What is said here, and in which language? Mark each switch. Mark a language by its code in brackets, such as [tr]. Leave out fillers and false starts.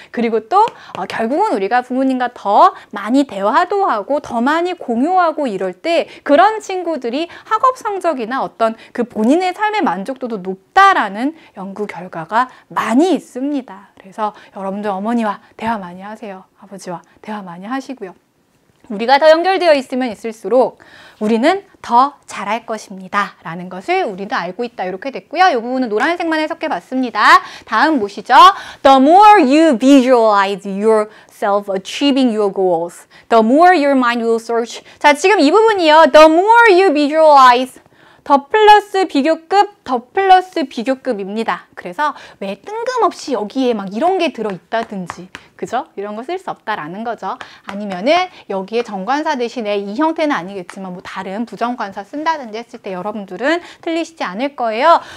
[ko] 그리고 또 결국은 우리가 부모님과 더 많이 대화도 하고 더 많이 공유하고 이럴 때 그런 친구들이 학업 성적이나 어떤 그 본인의 삶의 만족도도 높다라는 연구 결과가 많이 있습니다. 그래서 여러분들 어머니와 대화 많이 하세요. 아버지와 대화 많이 하시고요. 우리가 더 연결되어 있으면 있을수록 우리는 더 잘할 것입니다. 라는 것을 우리도 알고 있다. 이렇게 됐고요. 이 부분은 노란색만 해석해 봤습니다. 다음 보시죠. [en] The more you visualize yourself achieving your goals, the more your mind will search. [ko] 자, 지금 이 부분이요. [en] The more you visualize. [ko] 더 플러스 비교급, 더 플러스 비교급입니다. 그래서 왜 뜬금없이 여기에 막 이런 게 들어있다든지, 그죠? 이런 거 쓸 수 없다라는 거죠. 아니면은 여기에 정관사 대신에 이 형태는 아니겠지만 뭐 다른 부정관사 쓴다든지 했을 때 여러분들은 틀리시지 않을 거예요.